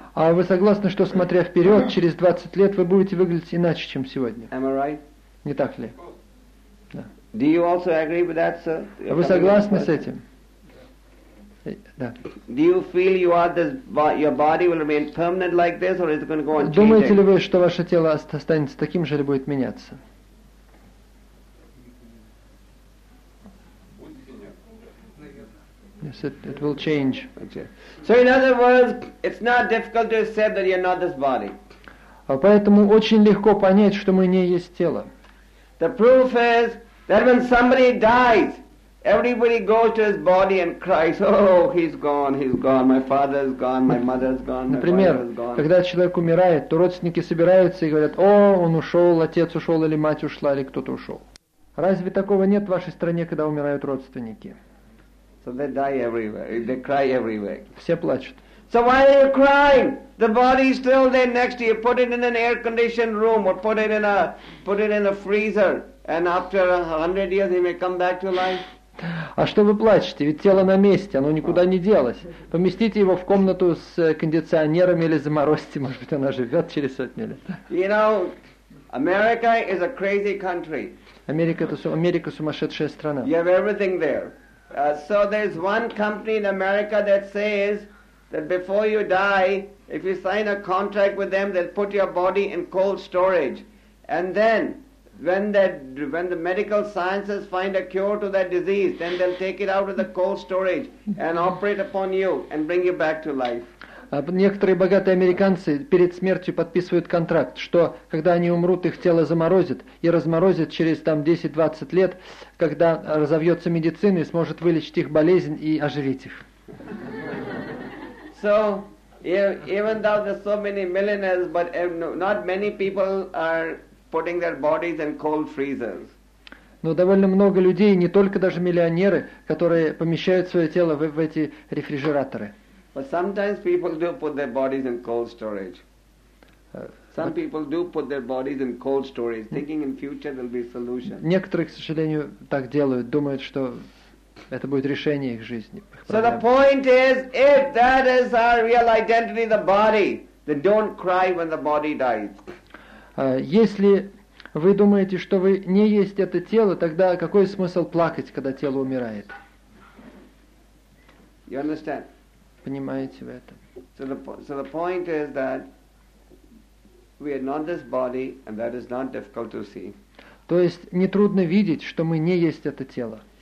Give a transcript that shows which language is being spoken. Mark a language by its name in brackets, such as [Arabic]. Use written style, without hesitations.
[Russian] А вы согласны, что смотря вперед, через 20 лет вы будете выглядеть иначе, чем сегодня? [English] Am I right? [Russian] Не так ли? [English] Do you also agree with that, sir? [Russian] Вы согласны с этим? Да. [English] Do you feel you are this, your body will remain permanent like this, or is it going to go on changing? [Russian] Думаете ли вы, что ваше тело останется таким же или будет меняться? [English] Yes, it will change. So in other words, it's not difficult to accept that you're not this body. [Russian] Поэтому очень легко понять, что мы не есть тело. [English] The proof is that when somebody dies, everybody goes to his body and cries, oh, he's gone, my father is gone, my mother is gone, my [Russian] Например, [English] wife is gone. [Russian] Когда человек умирает, то родственники собираются и говорят, о, он ушел, отец ушел, или мать ушла, или кто-то ушел. Разве такого нет в вашей стране, когда умирают родственники? [English] So they die everywhere, they cry everywhere. [Russian] Все плачут. [English] So why are you crying? The body is still there next to you. Put it in an air-conditioned room or put it in a freezer. And after 100 years, he may come back to life. [Russian] А что вы плачете? Ведь тело на месте, оно никуда не делось. Поместите его в комнату с кондиционерами или заморозьте, может быть, она живет через сотню лет. [English] You know, America is a crazy country. [Russian] Америка сумасшедшая страна. [English] You have everything there. So there's one company in America that says that before you die, if you sign a contract with them, they'll put your body in cold storage. And then, when the medical sciences find a cure to that disease, then they'll take it out of the cold storage and operate upon you and bring you back to life. [Russian] Некоторые богатые американцы перед смертью подписывают контракт, что когда они умрут, их тело заморозит и разморозит через там 10-20 лет, когда разовьется медицина и сможет вылечить их болезнь и оживить их. [English] So, even though there's so many millionaires, but not many people are putting their bodies in cold freezers. [Russian] Но довольно много людей, не только даже миллионеры, которые помещают свое тело в эти рефрижераторы. [English] But sometimes people do put their bodies in cold storage. Some people do put their bodies in cold storage, thinking in future there'll be a solution. [Russian] Некоторые, к сожалению, так делают, думают, что это будет решение их жизни. [English] So the point is, if that is our real identity, the body, then don't cry when the body dies. [Russian] Если вы думаете, что вы не есть это тело, тогда какой смысл плакать, когда тело умирает? [English] You understand? [Russian] Понимаете вы это? [English] So the point is that we are not this body, and that is not difficult to see. [Russian] То есть не трудно видеть, что мы не есть это тело.